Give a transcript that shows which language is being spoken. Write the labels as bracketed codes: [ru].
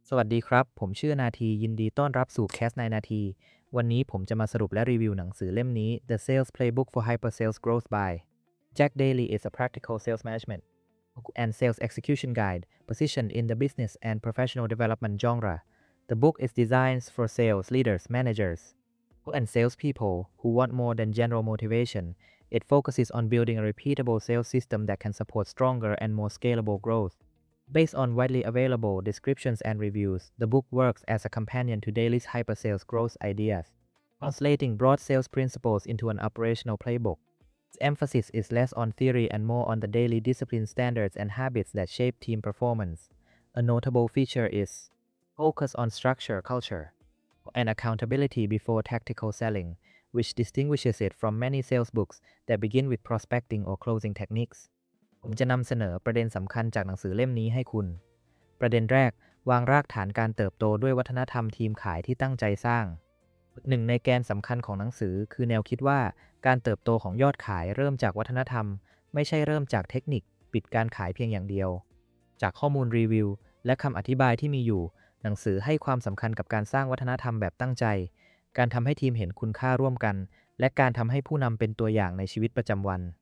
[th] สวัสดีครับผมชื่อนาทียินดีต้อนรับสู่แคส9นาทีวันนี้ผมจะมาสรุปและรีวิวหนังสือเล่มนี้ [en] The Sales Playbook for Hyper Sales Growth by Jack Daly is a Practical Sales Management and Sales Execution Guide Positioned in the Business and Professional Development Genre. The book is designed for sales leaders, managers, and sales people who want more than general motivation. It focuses on building a repeatable sales system that can support stronger and more scalable growth. Based on widely available descriptions and reviews, the book works as a companion to Daly's hypersales growth ideas, translating broad sales principles into an operational playbook. Its emphasis is less on theory and more on the daily discipline standards and habits that shape team performance. A notable feature is focus on structure, culture, and accountability before tactical selling, which distinguishes it from many sales books that begin with prospecting or closing techniques. [th] ผมจะนำเสนอประเด็นสำคัญจากหนังสือเล่มนี้ให้คุณประเด็นแรกวางรากฐานการเติบโตด้วยวัฒนธรรมทีมขายที่ตั้งใจสร้างหนึ่งในแกนสำคัญของหนังสือคือแนวคิดว่าการเติบโตของยอดขายเริ่มจากวัฒนธรรมไม่ใช่เริ่มจากเทคนิคปิดการขายเพียงอย่างเดียวจากข้อมูลรีวิวและคำอธิบายที่มีอยู่หนังสือให้ความสำคัญกับการสร้างวัฒนธรรมแบบตั้งใจการทำให้ทีมเห็นคุณค่าร่วมกันและการทำให้ผู้นำเป็นตัวอย่างในชีวิตประจำวัน